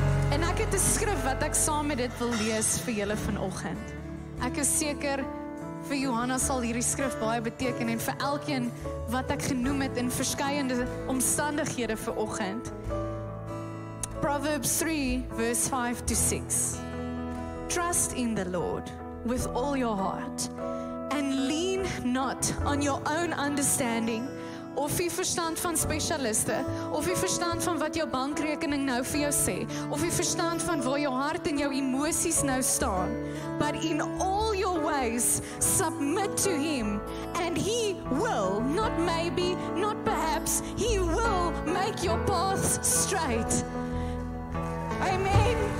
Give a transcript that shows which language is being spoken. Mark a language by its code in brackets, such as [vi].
[af] En ek het 'n skrif wat ek saam met dit wil lees vir julle vanoggend. Ek is seker vir Johanna sal hierdie skrif baie beteken en vir elkeen wat ek genoem het in verskeidende omstandighede vanoggend. [en] Proverbs 3 verse 5 to 6. Trust in the Lord with all your heart and lean not on your own understanding. [af] Of die verstand van spesialiste, of die verstand van wat jou bankrekening nou vir jou sê, of die verstand van waar jou hart en jou emosies nou staan. [en] But in all your ways, submit to Him, and He will, not maybe, not perhaps, He will make your paths straight. Amen.